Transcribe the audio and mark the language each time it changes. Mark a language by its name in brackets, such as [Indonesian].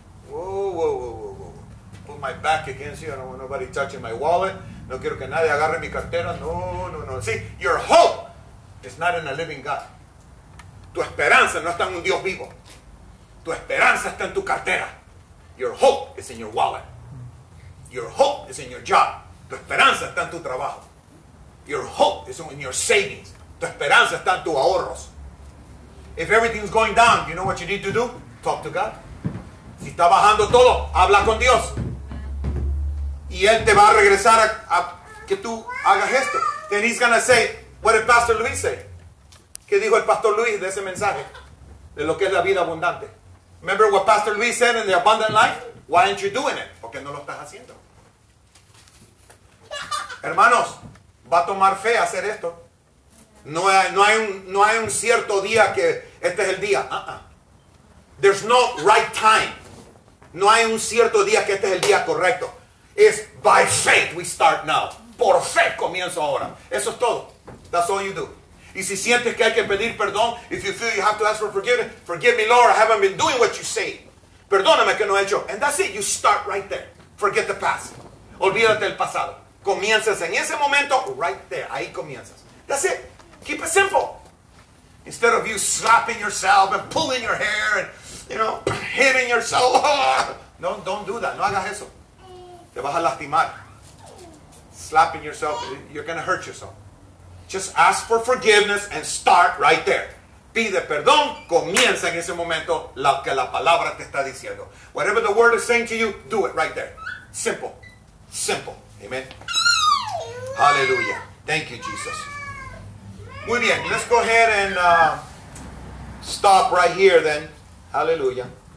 [English] Whoa. Put my back against you. I don't want nobody touching my wallet. No quiero que nadie agarre mi cartera. No. See, your hope is not in a living God. [Spanish] Tu esperanza no está en un Dios vivo. Tu esperanza está en tu cartera. Your hope is in your wallet. [English] Your hope is in your job. Tu esperanza está en tu trabajo. Your hope is in your savings. [Spanish] Tu esperanza está en tus ahorros. [English] If everything's going down, you know what you need to do? [Spanish] Talk to God. Si está bajando todo, habla con Dios. Y Él te va a regresar a que tú hagas esto. [English] Then He's going to say, what did Pastor Luis say? [Spanish] ¿Qué dijo el Pastor Luis de ese mensaje? De lo que es la vida abundante. [English] Remember what Pastor Luis said in the abundant life? Why aren't you doing it? Porque no lo estás haciendo. [Spanish] Hermanos, va a tomar fe hacer esto. No hay un cierto día que este es el día. There's no right time. No hay un cierto día que este es el día correcto. [English] It's by faith we start now. Por fe comienzo ahora. Eso es todo. That's all you do. Y si sientes que hay que pedir perdón, if you feel you have to ask for forgiveness, forgive me, Lord, I haven't been doing what you say. Perdóname que no he hecho. And that's it. You start right there. Forget the past. Olvídate del pasado. Comienzas en ese momento, right there. Ahí comienzas. That's it. Keep it simple. Instead of you slapping yourself and pulling your hair and, you know, hitting yourself. [Spanish] No, don't do that. No hagas eso. Te vas a lastimar. [English] Slapping yourself, you're going to hurt yourself. Just ask for forgiveness and start right there. [Spanish] Pide perdón, comienza en ese momento lo que la palabra te está diciendo. [English] Whatever the word is saying to you, do it right there. Simple. Amen. Hallelujah. Thank you, Jesus. Muy bien, let's go ahead and stop right here then. Hallelujah.